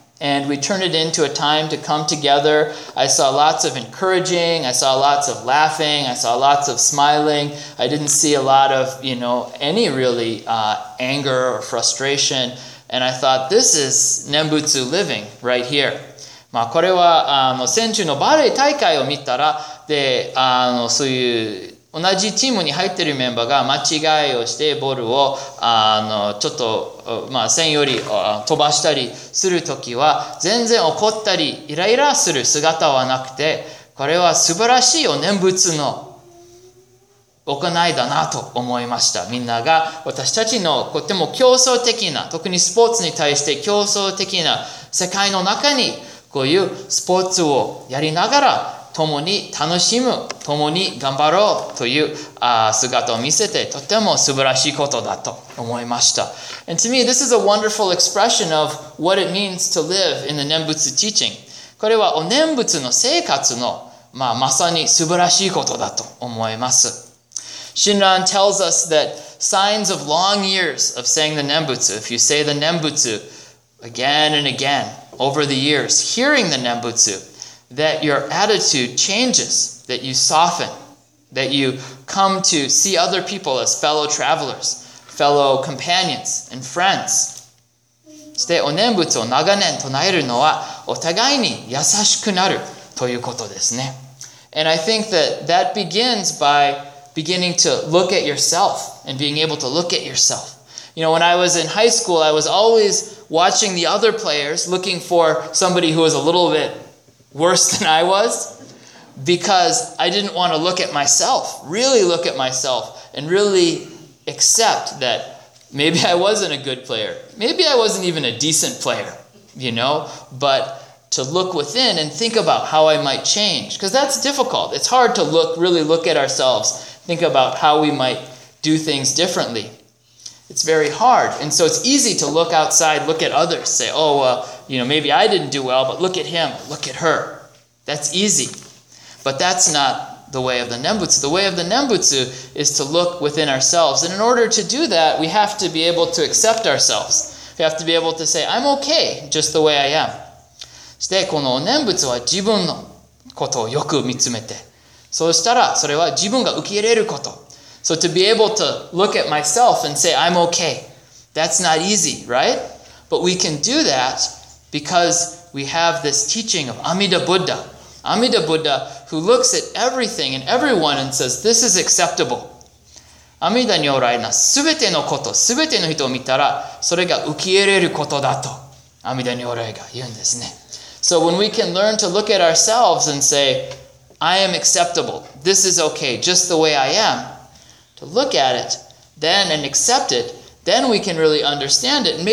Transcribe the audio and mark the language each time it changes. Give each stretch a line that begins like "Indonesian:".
English: And we turn it into a time to come together. I saw lots of encouraging. I saw lots of laughing. I saw lots of smiling. I didn't see a lot of, you know, any really anger or frustration. And I thought, this is Nembutsu living right here.
Japanese: まあこれはあの先週のバレー大会を見たら、で、あのそういう同じチームに入っているメンバーが間違いをしてボールをあのちょっとまあ線より飛ばしたりするときは全然怒ったりイライラする姿はなくて、これは素晴らしいお念仏の行いだなと思いました。みんなが私たちのとても競争的な、特にスポーツに対して競争的な世界の中に、こういうスポーツをやりながら共に楽しむ、共に頑張ろうという姿を見せて、とても素晴らしいことだと思いました。
English: And to me, this is a wonderful expression of what it means to live in the 念仏 teaching.
Japanese: これはお念仏の生活のまあ、まさに素晴らしいことだと思います。
English: Shinran tells us that signs of long years of saying the Nembutsu, if you say the Nembutsu again and again over the years, hearing the Nembutsu, that your attitude changes, that you soften, that you come to see other people as fellow travelers, fellow companions and friends.
Japanese: そしてお念仏を長年唱えるのはお互いに優しくなるということですね。
English: And I think that that begins by beginning to look at yourself and being able to look at yourself. You know, when I was in high school, I was always watching the other players, looking for somebody who was a little bit worse than I was, because I didn't want to look at myself, really look at myself, and really accept that maybe I wasn't a good player. Maybe I wasn't even a decent player, you know, but to look within and think about how I might change, because that's difficult. It's hard to look, really look at ourselves, think about how we might do things differently. It's very hard. And so it's easy to look outside, look at others, say, oh, well, you know, maybe I didn't do well, but look at him, look at her. That's easy. But that's not the way of the Nembutsu. The way of the Nembutsu is to look within ourselves. And in order to do that, we have to be able to accept ourselves. We have to be able to say, I'm okay, just the way I am.
Japanese: そして、このお念仏は自分のことをよく見つめて、そうしたら、それは自分が受け入れること。
English: So to be able to look at myself and say, I'm okay. That's not easy, right? But we can do that because we have this teaching of Amida Buddha. Amida Buddha, who looks at everything and everyone and says, this is acceptable.
Japanese: Amida におられなすべてのこと、すべての人を見たら、それが受け入れることだと、Amida におられが言うんですね。
English: So when we can learn to look at ourselves and say, I am acceptable. This is okay, just the way I am. To look at it, then, and accept it, then we can really understand it.